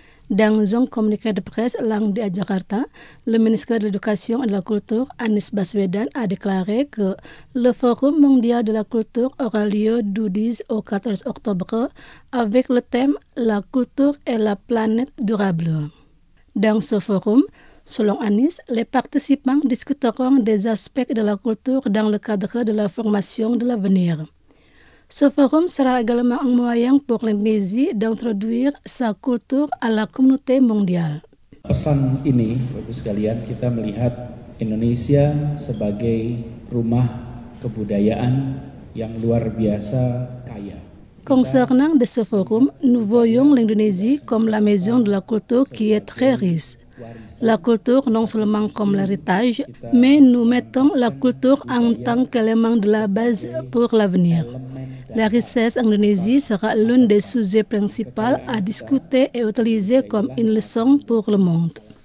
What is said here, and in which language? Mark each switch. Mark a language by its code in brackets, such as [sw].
[fr] Dans un communiqué de presse lundi à Jakarta, le ministre de l'Éducation et de la Culture, Anies Baswedan, a déclaré que le Forum mondial de la culture aura lieu du 10 au 14 octobre avec le thème « La culture et la planète durable ». Dans ce forum, selon Anies, les participants discuteront des aspects de la culture dans le cadre de la formation de l'avenir. Ce forum sera également un moyen pour l'Indonésie d'introduire sa culture à la communauté mondiale. [id] Pesan ini, Bapak sekalian, kita melihat Indonesia sebagai rumah kebudayaan yang luar biasa kaya. [fr] Concernant de ce forum, nous voyons l'Indonésie comme la maison de la culture qui est très riche. La culture non seulement comme l'héritage, mais nous mettons la culture en tant qu'élément de la base pour l'avenir. La richesse en Indonésie sera l'un des sujets principaux à discuter et utiliser comme une leçon pour le monde.